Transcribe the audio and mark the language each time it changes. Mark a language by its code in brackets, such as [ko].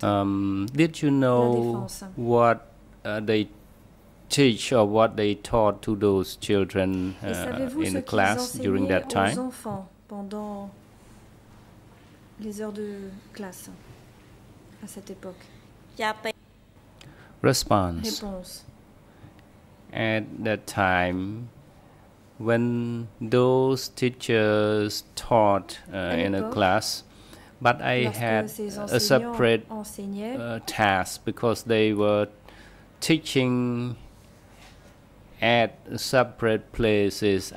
[en] Did you know what they teach or what they taught to those children in the class during that time? [fr] Aux enfants pendant les heures de classe à cette époque. [en] Response. [fr] Réponse. [en] At that time, when those teachers taught in a class, but I had a separate task because they were teaching at separate places.